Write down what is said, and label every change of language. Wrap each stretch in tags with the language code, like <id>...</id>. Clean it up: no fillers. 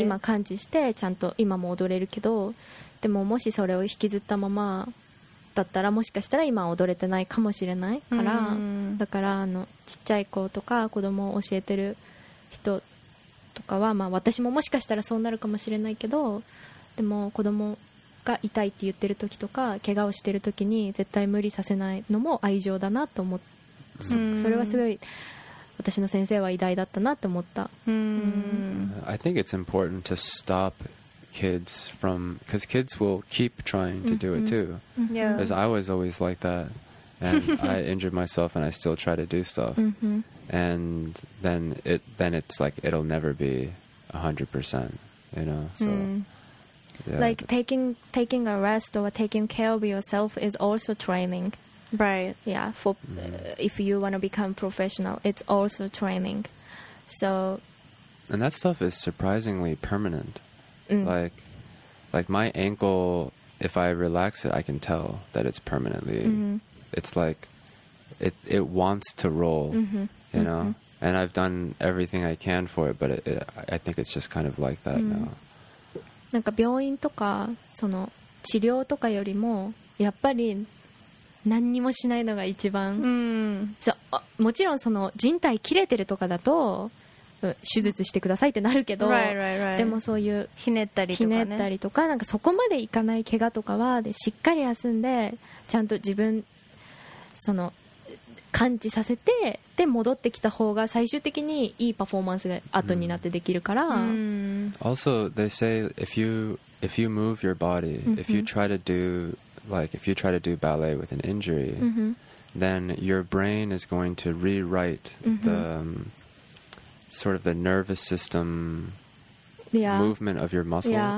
<ja>今感知してちゃんと今も踊れるけど、でももしそれを引きずったままだったらもしかしたら今踊れてないかもしれないから、だからあのちっちゃい子とか子供を教えてる人とかは、まあ、私ももしかしたらそうなるかもしれないけど、でも子供が痛いって言ってる時とか怪我をしてる時に絶対無理させないのも愛情だなと思って、それはすごい私の先生は偉大だったなって思った。</ja> <en>I think it's important to stop kids from, because kids will keep trying to do it too. Yeah. As I was always like that, and I injured myself, and I still try to do stuff. And then it's like it'll never be 100%. You know. So. Like taking a rest or taking care of yourself is also training. Right. Yeah. For if you want to become professional, it's also training. So. And that stuff is surprisingly permanent. Mm. Like my ankle, if I relax it, I can tell that it's permanently. Mm-hmm. It's like, it wants to roll, mm-hmm. you know. Mm-hmm. And I've done everything I can for it, but I think it's just kind of like that mm. now.</en> <ja>なんか病院とかその治療とかよりもやっぱり何にもしないのが一番。うん。そう、もちろんその靭帯切れてるとかだと手術してくださいってなるけど、</ja> <en>right, right, right.</en> <ja>でもそういうひねったりとかね。ひねったりとか、なんかそこまでいかない怪我とかはでしっかり休んでちゃんと自分その感知させてで戻ってきた方が最終的にいいパフォーマンスが後になってできるから。</ja> <en>Mm. Also, they say if you move your body, mm-hmm. if you try to do ballet with an injury, mm-hmm. then your brain is going to rewrite the sort of the nervous system movement of your muscle. Yeah.</en>